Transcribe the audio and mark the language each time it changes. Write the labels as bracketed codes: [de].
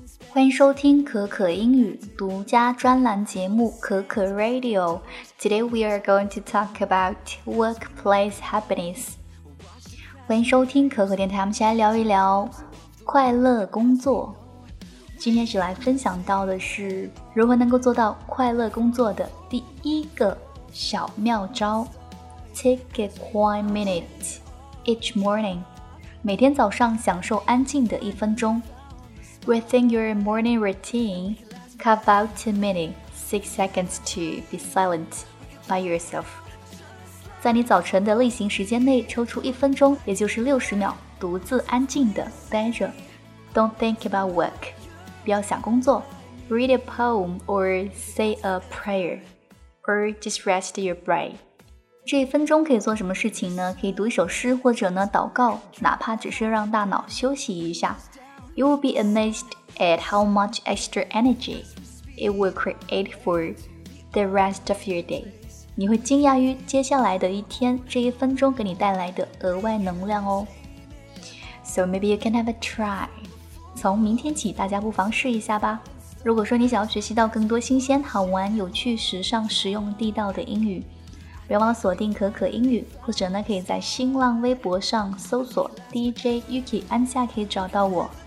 [zh] 欢迎收听可可英语独家专栏节目可可 Radio. [en] Today we are going to talk about workplace happiness. [zh] 欢迎收听可可电台，我们先来聊一聊快乐工作。今天是来分享到的是如何能够做到快乐工作的第一个小妙招。 [en] Take a quiet minute each morning. [zh] 每天早上享受安静的一分钟。 [en] Within your morning routine, carve out a minute, 6 seconds to be silent by yourself. [zh] 在你早晨的例行时间内抽出一分钟，也就是60秒，独自安静地待着。 [en] Don't think about work. [zh] 不要想工作。 [en] Read a poem or say a prayer. Or just rest your brain. [zh] 这一分钟可以做什么事情呢？可以读一首诗或者呢祷告，哪怕只是让大脑休息一下。 [en] You will be amazed at how much extra energy it will create for the rest of your day. [zh] 你会惊讶于接下来的一天，这一分钟给你带来的额外能量哦。 [en] So maybe you can have a try. [zh] 从明天起，大家不妨试一下吧。如果说你想要学习到更多新鲜、好玩、有趣、时尚、实用、地道的英语，别忘了锁定可可英语，或者呢，可以在新浪微博上搜索 DJ Yuki 安夏，可以找到我。